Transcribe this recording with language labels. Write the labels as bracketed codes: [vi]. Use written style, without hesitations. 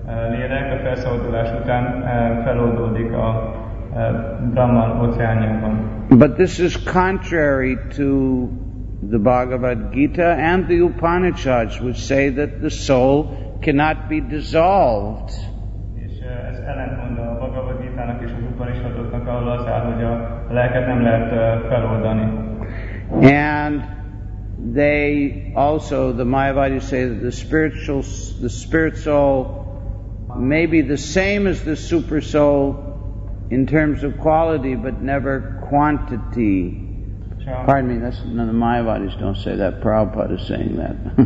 [hu] Lélek a felszabadulás után feloldódik a Brahman óceánjában. [en] But this is contrary to the Bhagavad Gita and the Upanishads, which say that the soul cannot be dissolved. [hu] És ez ellentmond a Bhagavad Gita-nak és az Upanishadoknak, ahol az áll, hogy a lelket nem lehet feloldani. [en] And they also, the Mayavadis say that the spirit soul may be the same as the super soul in terms of quality, but never quantity. Pardon me, that's, no, the Mayavadis don't say that. Prabhupada is saying that.